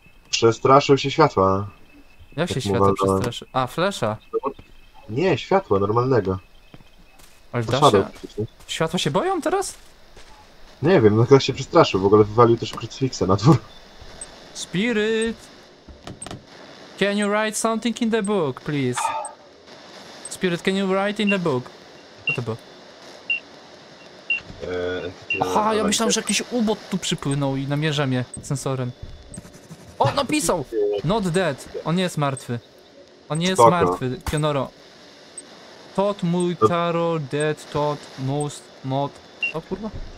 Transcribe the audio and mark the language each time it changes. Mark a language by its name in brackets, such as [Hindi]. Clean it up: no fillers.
[Polish] Przestraszył się światła. Jak się światło przestraszy? A, flesza. Nie, światło normalnego. Ale da się? Światła się boją teraz? Nie wiem, no ktoś się przestraszył, w ogóle wywalił też krucyfiksa na dwór. [English] Spirit! Can you write something in the book, please? Spirit, can you write in the book? [Polish] Co to było? Aha, ja myślałem, że jakiś ubot tu przypłynął i namierza mnie sensorem. O, napisał! [English] Not dead, [Polish] on nie jest martwy. On nie jest spoko. Martwy, Kionoro. Tot mój taro, dead, tot, most, mod. O kurwa.